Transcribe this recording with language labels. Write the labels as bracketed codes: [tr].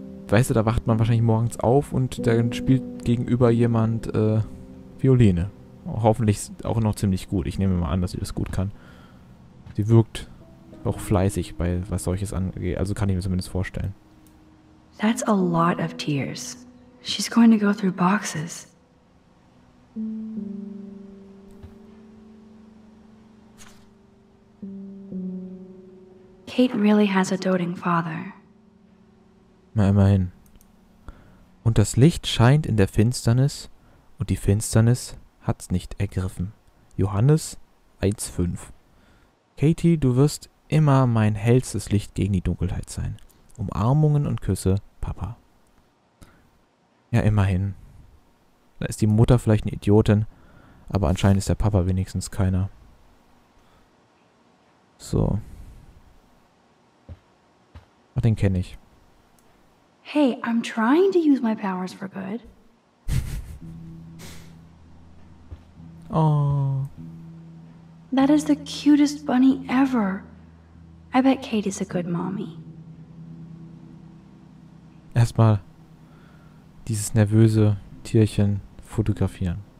[de] Weißt du, da wacht man wahrscheinlich morgens auf und dann spielt gegenüber jemand Violine. Hoffentlich auch noch ziemlich gut. Ich nehme mal an, dass sie das gut kann. Sie wirkt auch fleißig, bei was solches angeht. Also kann ich mir zumindest vorstellen. [en] That's a lot of tears. She's going to go through boxes. Kate really has a doting father. [de] Immerhin. Und das Licht scheint in der Finsternis und die Finsternis hat's nicht ergriffen. Johannes 1,5. Katie, du wirst immer mein hellstes Licht gegen die Dunkelheit sein. Umarmungen und Küsse, Papa. Ja, immerhin. Da ist die Mutter vielleicht eine Idiotin, aber anscheinend ist der Papa wenigstens keiner. So. Ach, den kenne ich. [en] Hey, I'm trying to use my powers for good. Oh. That is the cutest bunny ever. I bet Kate is a good mommy. [de] Erstmal dieses nervöse Tierchen fotografieren.